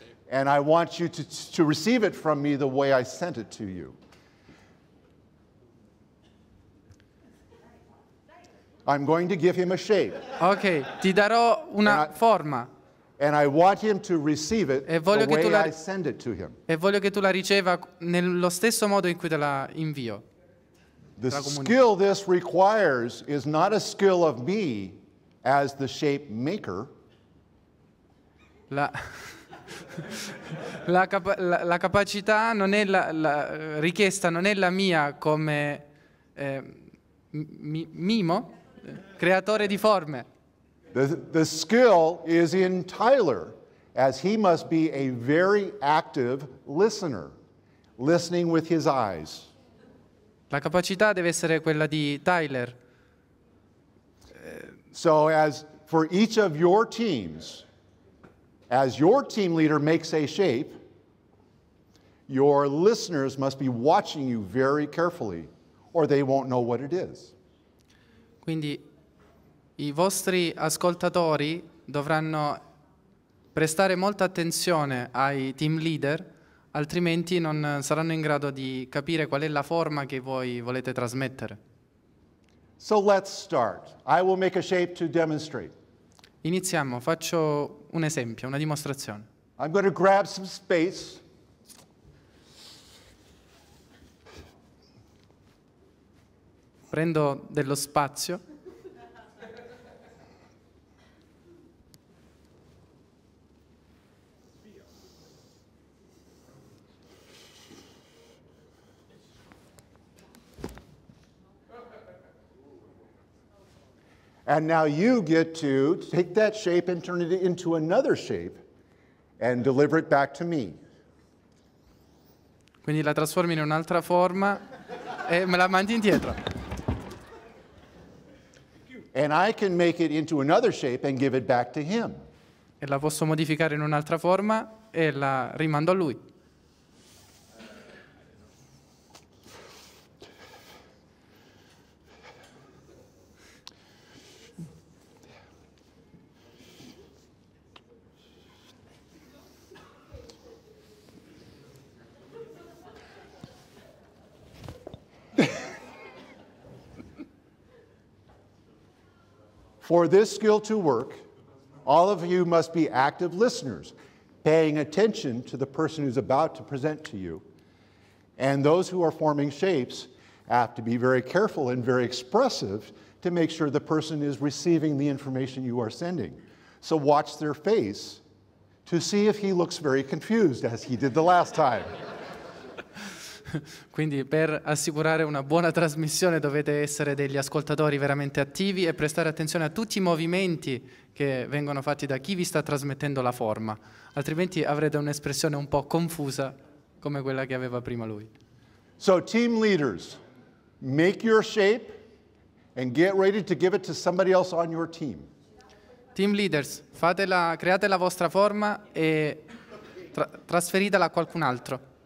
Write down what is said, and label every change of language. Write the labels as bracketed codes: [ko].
[en] And I want you to receive it from me the way I sent it to you. I'm going to give him a shape. [it] Okay, ti darò una forma. [en] And I want him to receive it the way I send it to him. [it] E voglio che tu la riceva nello stesso modo in cui te la invio. [en] The skill this requires is not a skill of me as the shape maker. [it] La capacità non è la richiesta non è la mia come mimo creatore di forme. [en] The skill is in Tyler as he must be a very active listener, listening with his eyes. [it] La capacità deve essere quella di Tyler. [en] So as for each of your teams, as your team leader makes a shape, your listeners must be watching you very carefully, or they won't know what it is. [it] Quindi I vostri ascoltatori dovranno prestare molta attenzione ai team leader. Altrimenti non saranno in grado di capire qual è la forma che voi volete trasmettere. [en] So let's start. I will make a shape to demonstrate. [it] Iniziamo, faccio un esempio, una dimostrazione. [en] I'm going to grab some space. [it] Prendo dello spazio. [en] And now you get to take that shape and turn it into another shape and deliver it back to me. [it] Quindi la trasformi in un'altra forma e me la mandi indietro. [en] And I can make it into another shape and give it back to him. [it] E la posso modificare in un'altra forma e la rimando a lui. [en] For this skill to work, all of you must be active listeners, paying attention to the person who's about to present to you. And those who are forming shapes have to be very careful and very expressive to make sure the person is receiving the information you are sending. So watch their face to see if he looks very confused, as he did the last time. [it] Quindi per assicurare una buona trasmissione dovete essere degli ascoltatori veramente attivi e prestare attenzione a tutti i movimenti che vengono fatti da chi vi sta trasmettendo la forma, altrimenti avrete un'espressione un po' confusa come quella che aveva prima lui. [en] So team leaders, make your shape and get ready to give it to somebody else on your team. [it] Team leaders, create la vostra forma e trasferitela a qualcun altro.